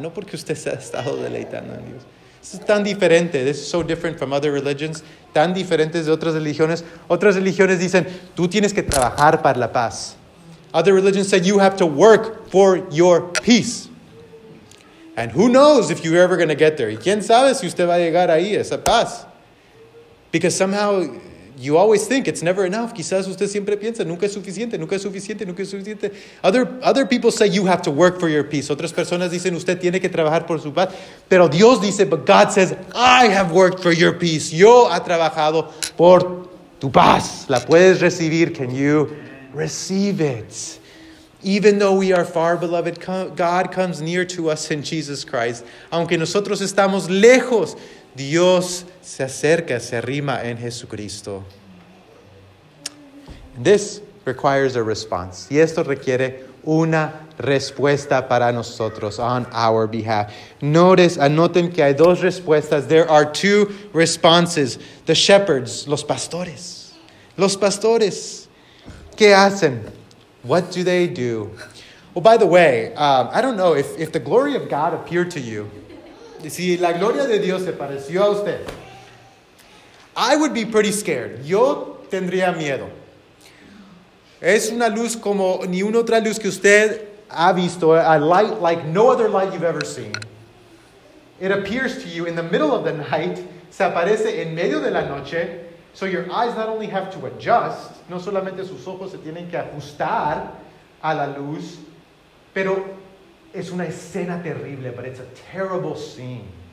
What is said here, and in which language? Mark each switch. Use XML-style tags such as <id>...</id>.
<es>No porque usted se ha estado deleitando en Dios. Es tan diferente.</es> <en>This is so different from other religions.</en> <es>Tan diferentes de otras religiones. Otras religiones dicen, tú tienes que trabajar para la paz.</es> <en>Other religions say you have to work for your peace. And who knows if you're ever going to get there.</en> <es>¿Y quién sabe si usted va a llegar ahí, esa paz?</es> <en>Because somehow you always think it's never enough.</en> <es>Quizás usted siempre piensa, nunca es suficiente, nunca es suficiente, nunca es suficiente.</es> <en>Other people say you have to work for your peace.</en> <es>Otras personas dicen, usted tiene que trabajar por su paz. Pero Dios dice,</es> <en>but God says, I have worked for your peace.</en> <es>Yo ha trabajado por tu paz. La puedes recibir.</es> <en>Can you receive it? Even though we are far, beloved, God comes near to us in Jesus Christ.</en> <es>Aunque nosotros estamos lejos, Dios se acerca, se arrima en Jesucristo.</es> <en>This requires a response.</en> <es>Y esto requiere una respuesta para nosotros,</es> <en>on our behalf.</en> <es>Notice, anoten que hay dos respuestas.</es> <en>There are two responses. The shepherds,</en> <es>los pastores. Los pastores. ¿Qué hacen?</es> <en>What do they do? Well, by the way, I don't know if the glory of God appeared to you.</en> <es>Si la gloria de Dios se pareció a usted,</es> <en>I would be pretty scared.</en> <es>Yo tendría miedo. Es una luz como ni una otra luz que usted ha visto.</es> <en>A light like no other light you've ever seen. It appears to you in the middle of the night.</en> <es>Se aparece en medio de la noche.</es> <en>So your eyes not only have to adjust.</en> <es>No solamente sus ojos se tienen que ajustar a la luz. Pero es una escena terrible,</es> <en>but it's a terrible scene.</en>